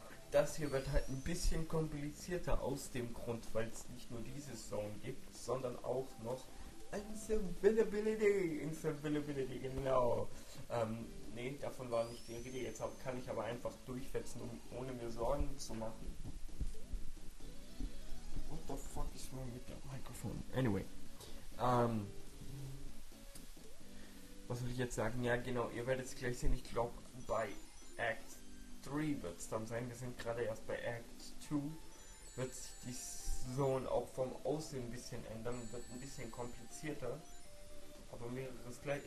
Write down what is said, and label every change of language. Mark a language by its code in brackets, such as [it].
[de] Das hier wird halt ein bisschen komplizierter aus dem Grund, weil es nicht nur diese Zone gibt, sondern auch noch Invincibility, genau. Nee, davon war nicht die Rede. Jetzt kann ich aber einfach durchfetzen, ohne mir Sorgen zu machen. [en] What the fuck is wrong with the microphone? Anyway. [de] Was will ich jetzt sagen? Ja, genau, ihr werdet es gleich sehen. Ich glaube, bei Act 3 wird es dann sein. Wir sind gerade erst bei Act 2. Wird sich die Zone auch vom Aussehen ein bisschen ändern. Wird ein bisschen komplizierter. Aber mehreres gleich.